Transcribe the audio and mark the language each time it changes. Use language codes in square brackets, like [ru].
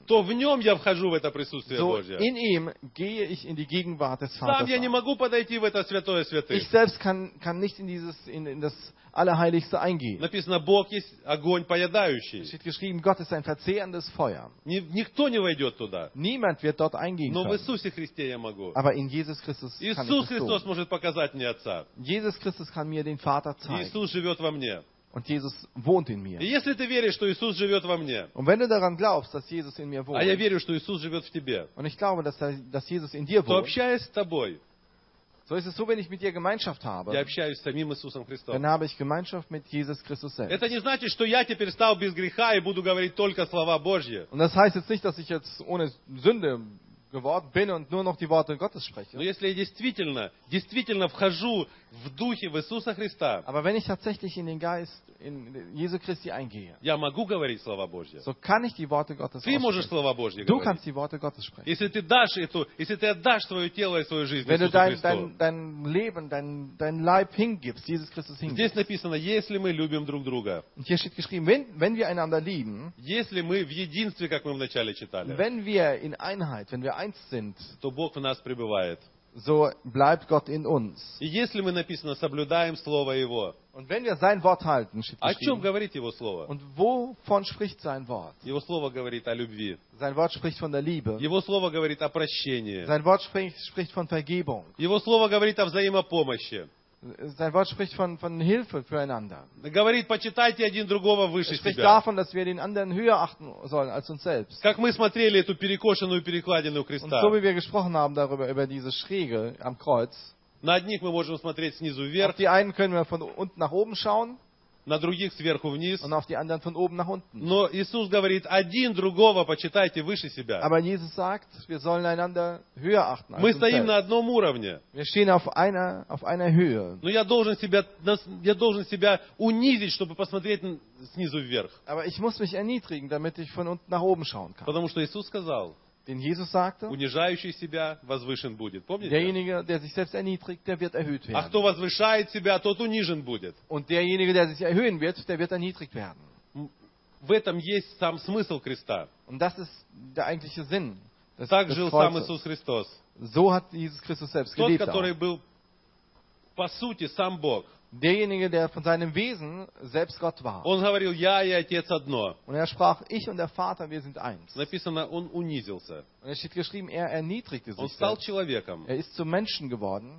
[ru] То в нем я вхожу в это присутствие Божье. [de] In ihm gehe ich in die Gegenwart des Vaters. [ru] Сам я не могу подойти в это святое святых. [de] Ich selbst kann nicht in dieses in das Allerheiligste eingehen. [ru] Написано, Бог есть огонь поедающий. [de] Es steht geschrieben, Gott ist ein verzehrendes Feuer. [ru] Никто не войдет туда. [de] Niemand wird dort eingehen können. [ru] Но в Иисусе Христе я могу. [de] Aber in Jesus Christus kann ich das tun. [ru] Иисус Христос может показать мне Отца. [de] Jesus Christus kann mir den Vater zeigen. [ru] Иисус живет во мне. [de] Und Jesus wohnt in mir. [ru] Если ты веришь, что Иисус живет во мне. [de] Und wenn du daran glaubst, dass Jesus in mir wohnt. [ru] А я верю, что Иисус живет в тебе. [de] Und ich glaube, dass Jesus in dir wohnt. [ru] То общаясь с тобой. [de] So ist es so, wenn ich mit dir Gemeinschaft habe. [ru] Я общаюсь с самим Иисусом Христом. [de] Dann habe ich Gemeinschaft mit Jesus Christus selbst. [ru] Это не значит, что я теперь стал без греха и буду говорить только слова Божьи. [de] Und das heißt jetzt nicht, dass ich jetzt ohne Sünde geworden bin und nur noch die Worte Gottes spreche. [ru] Но если я действительно вхожу в духе в Иисуса Христа. [de] Aber wenn ich tatsächlich in den Geist in Jesu Christi eingehe. [ru] Я могу говорить слова Божьи. [de] So kann ich die Worte Gottes sprechen. [ru] Ты можешь слова Божьи говорить. [de] Du kannst die Worte Gottes sprechen. [ru] Если ты дашь эту, если ты отдашь свое тело и свою жизнь [de] Иисусу Христу. Wenn du dein Leben, dein Leib hingibst, Jesus Christus hingibst. [ru] Здесь написано, если мы любим друг друга. [de] Und hier steht geschrieben, wenn wir einander lieben. [ru] Если мы в единстве, как мы вначале читали. [de] Wenn wir in Einheit, wenn wir eins sind. [ru] То Бог в нас пребывает. [de] So bleibt Gott in uns. [ru] И если мы написано соблюдаем слово Его. [de] Und wenn wir sein Wort halten, [ru] о чем говорит Его слово? [de] Und wovon spricht sein Wort? [ru] Его слово говорит о любви. [de] Sein Wort spricht von der Liebe. [ru] Его слово говорит о прощении. [de] Sein Wort spricht von Vergebung. [ru] Его слово говорит о взаимопомощи. [de] Sein Wort spricht von Hilfe füreinander. [ru] Говорит, почитайте один другого выше себя. [de] Es spricht davon, dass wir den anderen höher achten sollen als uns selbst. [ru] Как мы смотрели эту перекошенную перекладину Христа. [de] Und so wie wir gesprochen haben darüber, über diese Schräge am Kreuz. [ru] На одних мы можем смотреть снизу вверх. [de] Auf die einen können wir von unten nach oben schauen. [ru] На других сверху вниз. [de] Und auf die anderen von oben nach unten. [ru] Но Иисус говорит, один другого почитайте выше себя. [de] Aber Jesus sagt, wir sollen einander höher achten als [ru] мы стоим на одном уровне. [de] Wir stehen auf einer Höhe. [ru] Но я должен себя унизить, чтобы посмотреть снизу вверх. [de] Aber ich muss mich erniedrigen, damit ich von unten nach oben schauen kann. [ru] Потому что Иисус сказал, [de] den Jesus sagte, [ru] унижающий себя возвышен будет. Помните? [de] Derjenige, der sich selbst erniedrigt, der wird erhöht werden. [ru] А кто возвышает себя, тот унижен будет. [de] Und derjenige, der sich erhöhen wird, der wird erniedrigt werden. [ru] В этом есть сам смысл креста. [de] Und das ist der eigentliche Sinn. [ru] Так жил сам Иисус Христос. [de] So hat Jesus Christus selbst gelebt. [ru] Тот, который был по сути сам Бог. [de] Derjenige, der von seinem Wesen selbst Gott war. [ru] Он говорил, я и отец одно. [de] Und er sprach, ich und der Vater, wir sind eins. [ru] Написано, он унизился. [de] Und es steht geschrieben, er erniedrigte sich. [ru] Он стал человеком. [de] Er ist zum Menschen geworden.